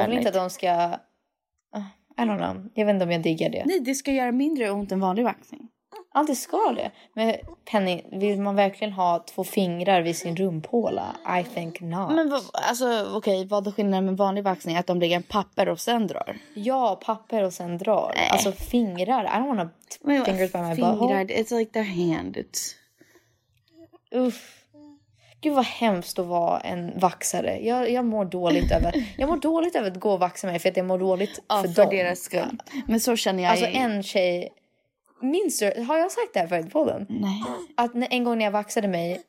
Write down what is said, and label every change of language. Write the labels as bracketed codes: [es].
[sv] Jag vill inte att de ska, [en] I don't know, [sv] jag vet inte om jag diggar det. Nej, det ska göra mindre ont än vanlig vaxning. Allt ska det. Men Penny, vill man verkligen ha två fingrar vid sin rumpåla? [en] I think not. [sv] Men vad är skillnaden med vanlig vaxning? Att de lägger en papper och sen drar? Ja, papper och sen drar. Nej. Alltså fingrar. [en] I don't want to fingers by my butthole. It's like their hand. It's... Uff. [sv] Gud vad hemskt att vara en vaxare. Jag mår dåligt över att gå och vaxa mig för att jag mår dåligt för dem. Deras skull. Men så känner jag. Alltså en tjej... Minns du, har jag sagt det här förut på den? Nej. Att en gång när jag vaxade mig...